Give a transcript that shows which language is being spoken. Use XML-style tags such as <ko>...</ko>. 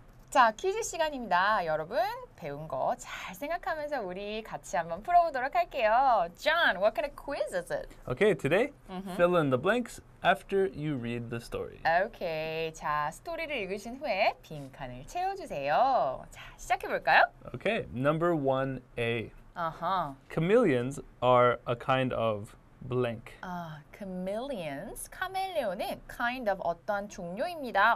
<ko>자, 퀴즈 시간입니다. 여러분, 배운 거 잘 생각하면서 우리 같이 한번 풀어보도록 할게요.</ko> <en>John, what kind of quiz is it? Okay, today, fill in the blanks after you read the story.</en> <ko>Okay, 자, 스토리를 읽으신 후에 빈칸을 채워주세요. 자, 시작해볼까요?</ko> <en>Okay, number 1A. Chameleons are a kind of blank.</en> <ko>Chameleons, 카멜레온은</ko> <en>kind of</en> <ko>어떤 종류입니다.</ko>